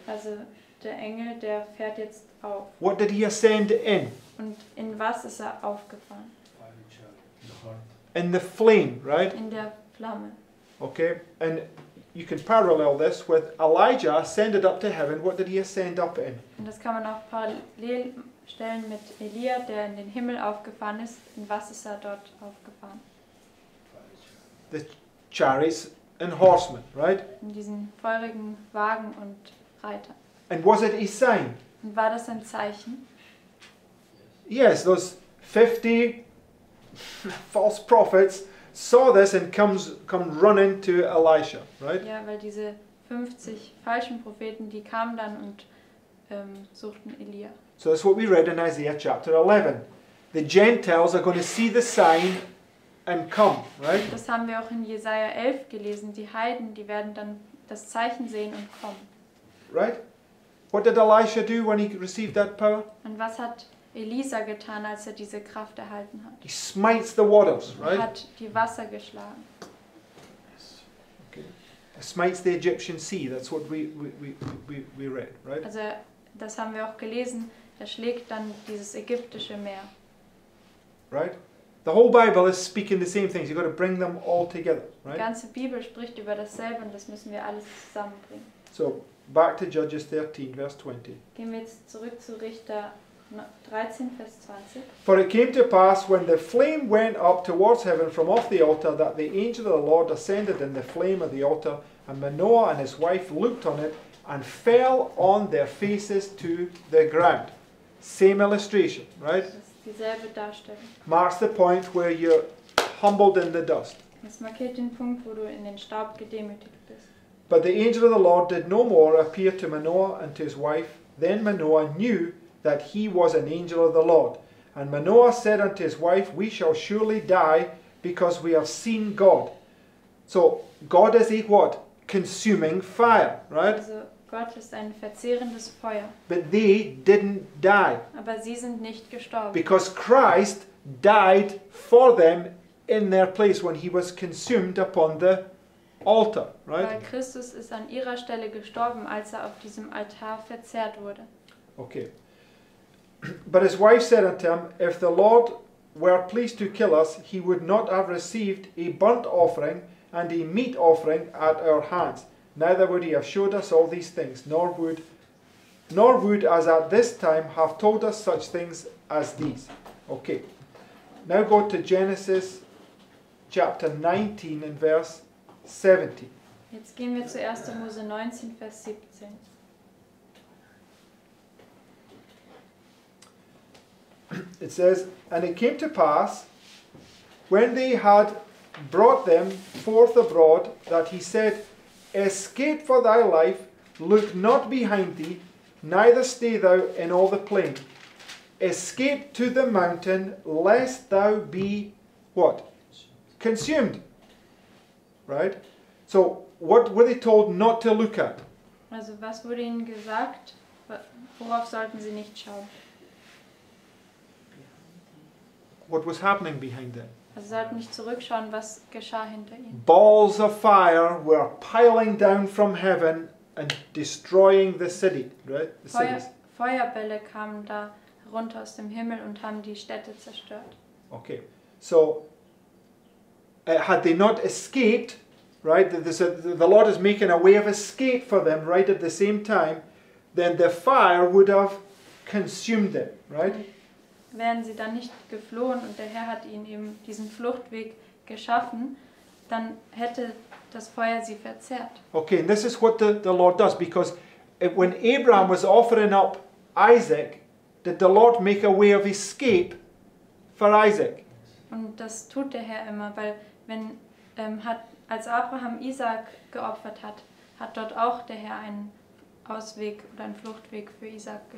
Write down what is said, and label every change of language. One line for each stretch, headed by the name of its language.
German: Also der Engel, der fährt jetzt auf.
English: What did he ascend in?
German: Und in was ist aufgefahren?
English: In the flame, right?
German: In der Flamme.
English: Okay, and you can parallel this with Elijah ascended up to heaven. What did he ascend up in?
German: Und das kann man auch parallel stellen mit Elia, der in den Himmel aufgefahren ist. In was ist dort aufgefahren?
English: The chariots and horsemen, right?
German: In diesen feurigen Wagen und Reiter.
English: And was it a sign?
German: Und war das ein Zeichen?
English: Yes, those 50 false prophets saw this and come running to Elisha, right?
German: Ja, weil diese 50 falschen Propheten, die kamen dann und suchten Elia.
English: So that's what we read in Isaiah chapter 11. The Gentiles are going to see the sign and come, right?
German: Das haben wir auch in Jesaja 11 gelesen. Die Heiden, die werden dann das Zeichen sehen und kommen.
English: Right? What did Elisha do when he received that power?
German: Und was hat Elisa getan, als diese Kraft erhalten hat?
English: He smites the waters, right?
German: Hat die Wasser geschlagen.
English: Okay. Smites the Egyptian sea. That's what we read, right?
German: Also, das haben wir auch gelesen. Er schlägt dann dieses ägyptische Meer.
English: Right? The whole Bible is speaking the same things. You've got to bring them all together, right?
German: Die ganze Bibel spricht über dasselbe, und das müssen wir alles zusammenbringen.
English: So, back to Judges 13, verse 20.
German: Gehen wir jetzt zurück zu Richter 13, Vers 20.
English: For it came to pass, when the flame went up towards heaven from off the altar, that the angel of the Lord ascended in the flame of the altar, and Manoah and his wife looked on it, and fell on their faces to the ground. Same illustration, right?
German: Das ist dieselbe Darstellung.
English: Marks the point where you're humbled in the dust.
German: Das markiert den Punkt, wo du in den Staub gedemütigt bist.
English: But the angel of the Lord did no more appear to Manoah and to his wife. Then Manoah knew that he was an angel of the Lord. And Manoah said unto his wife, we shall surely die, because we have seen God. So, God is a what? Consuming fire, right?
German: Also, Gott ist ein verzehrendes Feuer.
English: But they didn't die.
German: Aber sie sind nicht gestorben.
English: Because Christ died for them in their place when he was consumed upon the altar, right?
German: Weil Christus ist an ihrer Stelle gestorben, als auf diesem Altar verzehrt wurde.
English: Okay. But his wife said unto him, if the Lord were pleased to kill us, he would not have received a burnt offering and a meat offering at our hands. Neither would he have showed us all these things, nor would as at this time have told us such things as these. Okay. Now go to Genesis chapter 19 and verse 17.
German: Jetzt gehen wir zu 1. Mose 19, Vers 17.
English: It says, and it came to pass, when they had brought them forth abroad, that he said, escape for thy life, look not behind thee, neither stay thou in all the plain. Escape to the mountain, lest thou be, what? Consumed. Right? So, what were they told not to look at?
German: Also, was wurde ihnen gesagt, worauf sollten sie nicht schauen?
English: What was happening behind them?
German: Also sollten nicht zurückschauen, was geschah hinter ihnen.
English: Balls of fire were piling down from heaven and destroying the city, right? The
German: Feuerbälle kamen da runter aus dem Himmel und haben die Städte zerstört.
English: Okay, so had they not escaped, right? The Lord is making a way of escape for them right at the same time, then the fire would have consumed them, right? Okay.
German: Wären sie dann nicht geflohen und der Herr hat ihnen eben diesen Fluchtweg geschaffen, dann hätte das Feuer sie verzehrt.
English: Okay, and this is what the Lord does, because when Abraham was offering up Isaac, did the Lord make a way of escape for Isaac?
German: Und das tut der Herr immer, weil wenn als Abraham Isaac geopfert hat, hat dort auch der Herr einen Ausweg oder ein Fluchtweg für Isaac geschaffen.